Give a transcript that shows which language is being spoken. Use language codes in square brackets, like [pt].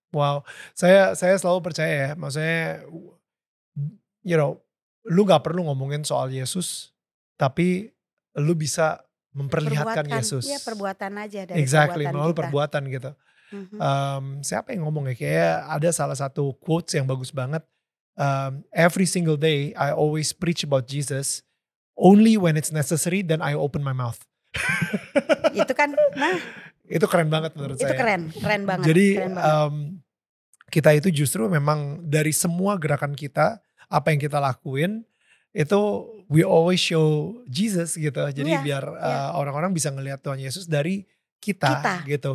[id] Wow. Saya selalu percaya ya, maksudnya [en] you know, [id] lu gak perlu ngomongin soal Yesus, tapi lu bisa memperlihatkan perbuatan, Yesus. Iya, perbuatan aja dari perbuatan kita. Melalui perbuatan gitu. Mm-hmm. Siapa yang ngomong ya? Kayaknya ada salah satu quotes yang bagus banget. [en] Every single day I always preach about Jesus only when it's necessary then I open my mouth. [id] Itu kan, itu keren banget menurut saya. Itu keren banget. Jadi kita itu justru memang dari semua gerakan kita, apa yang kita lakuin itu [en] we always show Jesus [id] gitu. Jadi orang-orang bisa ngelihat Tuhan Yesus dari kita. Gitu.